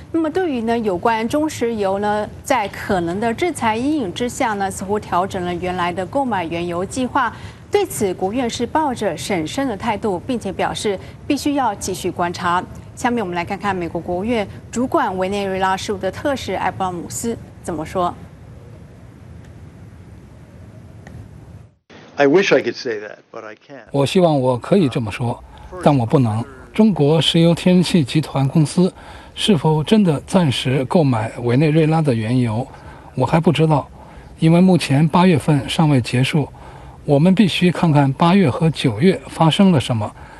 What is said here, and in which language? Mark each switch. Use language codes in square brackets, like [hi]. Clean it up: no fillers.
[zh] 那么对于呢有关中石油呢在可能的制裁阴影之下呢，似乎调整了原来的购买原油计划。对此国务院是抱着审慎的态度，并且表示必须要继续观察。下面我们来看看美国国务院主管委内瑞拉事务的特使艾布拉姆斯怎么说。 [en] I wish I could say that, but I can't. [zh] 我希望我可以这么说，但我不能。中国石油天然气集团公司是否真的暂时购买委内瑞拉的原油，我还不知道，因为目前八月份尚未结束，我们必须看看八月和九月发生了什么。